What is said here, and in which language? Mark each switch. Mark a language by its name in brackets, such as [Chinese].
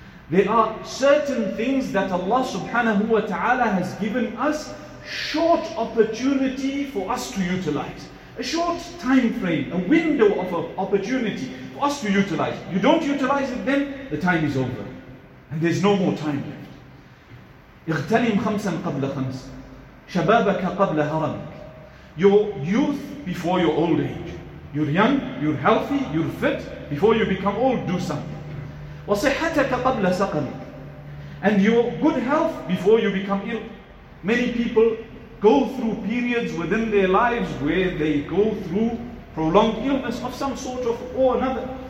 [English] There are certain things that Allah subhanahu wa ta'ala has given us short opportunity for us to utilize. A short time frame, a window of opportunity for us to utilize. You don't utilize it then, the time is over. And there's no more time left. [Arabic] اغتنم خمسا قبل خمس شبابك قبل هرمك. [English] Your youth before your old age. You're young, you're healthy, you're fit. Before you become old, do something. [Arabic] وَصِحَّتَكَ قَبْلَ سَقَلِكَ. [English] And your good health before you become ill. Many people go through periods within their lives where they go through prolonged illness of some sort of or another.